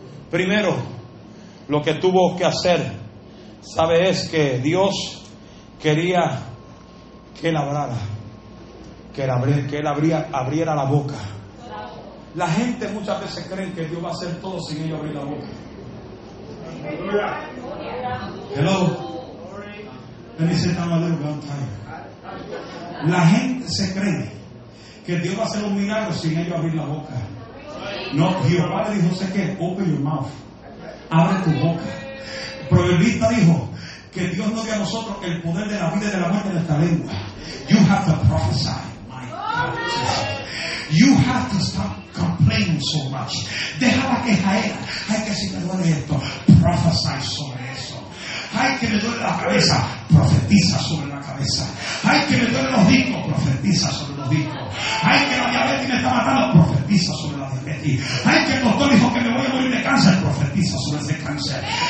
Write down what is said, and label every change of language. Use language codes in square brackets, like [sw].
[es] Primero, lo que tuvo que hacer, sabe, es que Dios quería que él hablara, que él abriera la boca. La gente muchas veces cree que Dios va a hacer todo sin ellos abrir la boca. [en] Hello. Let me sit down a little long time. [es] La gente se cree que Dios va a hacer un milagro sin ellos abrir la boca. No, Jehová le dijo: sé que [en] open your mouth, [es] abre tu boca. Proverbista dijo que Dios no dio a nosotros el poder de la vida y de la muerte en nuestra lengua. [en] You have to prophesy, my God. You have to stop complaining so much. [es] Deja la queja era. Hay que, si me duele esto, prophesy sobre eso. Hay que me duele la cabeza, profetiza sobre la cabeza. Hay que me duele los discos, profetiza sobre los discos. Hay que la diabetes me está matando, profetiza sobre la diabetes. Hay que el doctor dijo que me voy a morir de cáncer, profetiza sobre ese cáncer.